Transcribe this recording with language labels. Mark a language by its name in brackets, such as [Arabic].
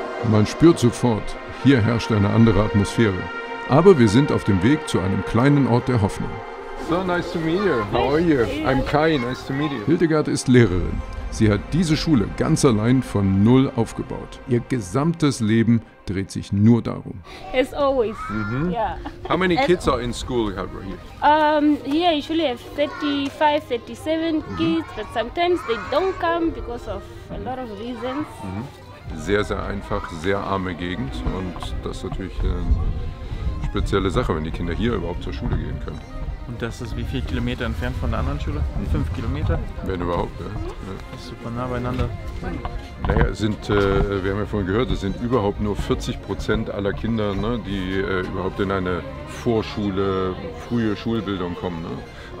[German] Man spürt sofort, hier herrscht eine andere Atmosphäre. Aber wir sind auf dem Weg zu einem kleinen Ort der Hoffnung. [English] So, nice to meet you. How are you? I'm Kai, nice to meet you. [German] Hildegard ist Lehrerin. Sie hat diese Schule ganz allein von null aufgebaut. Ihr gesamtes Leben dreht sich nur darum. [English] As always, yeah. How many kids are in school you have right here? Here I usually have 35, 37 kids, but sometimes they don't come because of a lot of reasons. Mm-hmm. [German] Sehr, sehr einfach, sehr arme Gegend und das ist natürlich eine spezielle Sache, wenn die Kinder hier überhaupt zur Schule gehen können. Und das ist wie viel Kilometer entfernt von der anderen Schule? 5 Kilometer? Wenn überhaupt, ja. Das ist super nah beieinander. Naja, wir haben ja vorhin gehört, es sind überhaupt nur 40% aller Kinder, ne, die überhaupt in eine Vorschule, frühe Schulbildung kommen. Ne?